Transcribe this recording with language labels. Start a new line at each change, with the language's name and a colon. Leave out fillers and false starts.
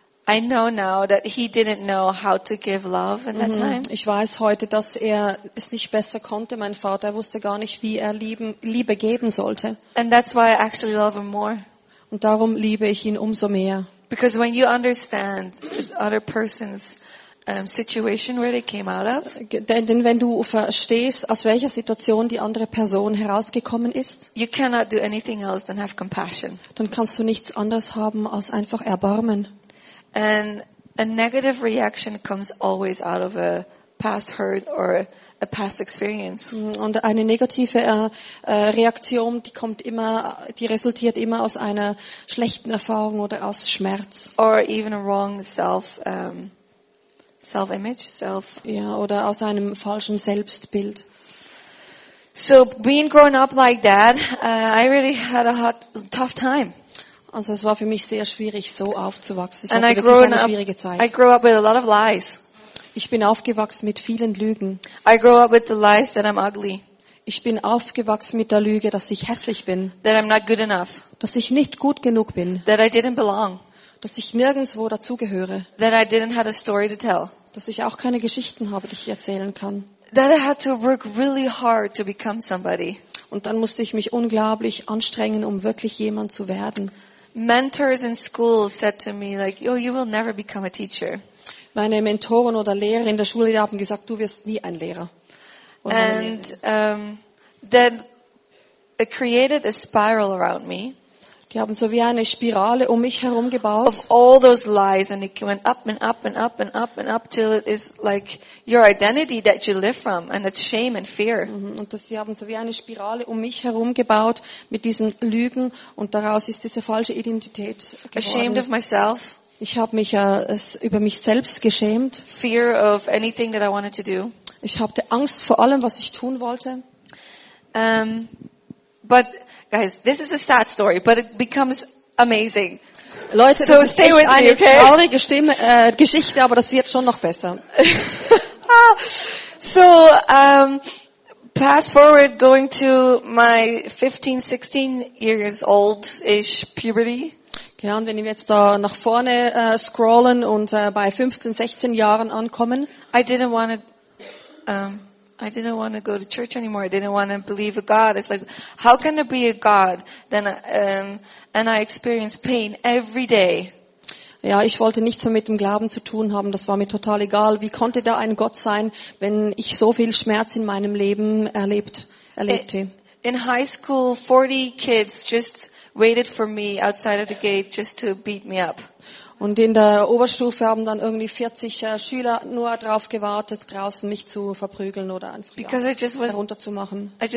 English: I know now that he didn't know how to give love in that time.
German: Ich weiß heute, dass er es nicht besser konnte. Mein Vater wusste gar nicht, wie er Liebe geben sollte.
English: And that's why I actually love him more.
German: Und darum liebe ich ihn umso mehr.
English: Because when you understand this other person's situation where they came out of,
German: denn wenn du verstehst, aus welcher Situation die andere Person herausgekommen ist,
English: you cannot do anything else than have compassion.
German: Dann kannst du nichts anderes haben als einfach Erbarmen.
English: And a negative reaction comes always out of a past hurt or a past experience.
German: Und eine negative Reaktion, die kommt immer, die resultiert immer aus einer schlechten Erfahrung oder aus Schmerz.
English: Or even a wrong self-image, self.
German: Ja, oder aus einem falschen Selbstbild.
English: So being grown up like that, I really had a tough time.
German: Also es war für mich sehr schwierig, so aufzuwachsen. Ich hatte wirklich eine schwierige Zeit.
English: I grew up with a lot of lies.
German: Ich bin aufgewachsen mit vielen Lügen.
English: I grew up with the lies that I'm ugly.
German: Ich bin aufgewachsen mit der Lüge, dass ich hässlich bin.
English: That I'm not good enough.
German: Dass ich nicht gut genug bin.
English: That I didn't belong.
German: Dass ich nirgendwo dazugehöre.
English: That I didn't have a story to tell.
German: Dass ich auch keine Geschichten habe, die ich erzählen kann.
English: That I had to work really hard to become somebody.
German: Und dann musste ich mich unglaublich anstrengen, um wirklich jemand zu werden.
English: Mentors in school said to me, like, oh, you will never become a teacher.
German: Meine Mentoren oder Lehrer in der Schule haben gesagt, du wirst nie ein Lehrer.
English: And then it created a spiral around me.
German: Die haben so wie eine Spirale um mich herum gebaut.
English: Of all those lies, and it went up and up and up and up and up till it is like your identity that you live from, and it's shame and fear.
German: Und sie haben so wie eine Spirale um mich herum gebaut mit diesen Lügen und daraus ist diese falsche Identität geworden.
English: Ashamed of myself.
German: Ich habe mich über mich selbst geschämt.
English: Fear of anything that I wanted to do.
German: Ich hatte Angst vor allem, was ich tun wollte.
English: But guys, this is a sad story, but it becomes amazing.
German: Leute, so das ist echt eine me, okay? traurige Geschichte, aber das wird schon noch besser.
English: So, pass forward, going to my 15, 16 years old-ish puberty.
German: Genau, wenn wir jetzt da nach vorne scrollen und bei 15, 16 Jahren ankommen.
English: I didn't want to I didn't want to go to church anymore. I didn't want to believe a God. It's like, how can there be a God? Then, and I experience pain every day.
German: Ja, ich wollte nichts mehr mit dem Glauben zu tun haben. Das war mir total egal. Wie konnte da ein Gott sein, wenn ich so viel Schmerz in meinem Leben erlebte?
English: In high school, 40 kids just waited for me outside of the gate just to beat me up.
German: Und in der Oberstufe haben dann irgendwie 40 Schüler nur darauf gewartet, draußen mich zu verprügeln oder einfach ja, herunterzumachen.